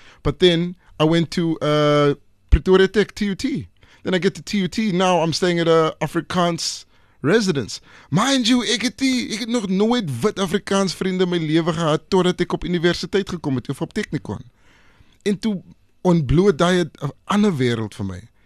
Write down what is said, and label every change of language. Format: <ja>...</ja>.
<en>But then I went to Pretoria Tech, TUT. Then I get to TUT, now I'm staying at a Afrikaans residence. Mind you,</en> <af>ek het nog nooit wit Afrikaans vriende in my lewe gehad totdat ek op universiteit gekom het of op Technikon. En toe ontbloot daai 'n ander wêreld vir my.</af>